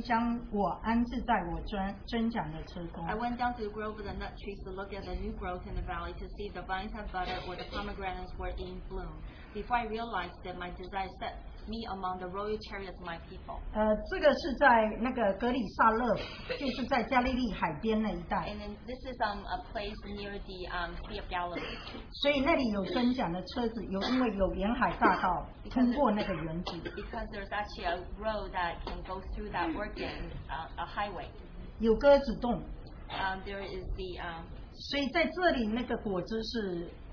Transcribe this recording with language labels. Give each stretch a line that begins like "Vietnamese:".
Chinese: 开花没有，不知不觉我的心将我安置在我尊长的车中。
English: I went down to the grove of the nut trees to look at the new growth in the valley to see the vines have budded or the pomegranates were in bloom. Before I realized that my desire set me among the royal chariots of my people.
Chinese: 这个是在那个格里萨勒，就是在加利利海边那一带。
English: And then this is a place near the Sea of Galilee.
Chinese: 所以那里有尊长的车子，有因为有沿海大道通过那个园子。
English: Because there's actually a road that can go through that orchard, a highway.
Chinese: 有鸽子洞。
English: There is the
Chinese: 所以在这里那个果子是。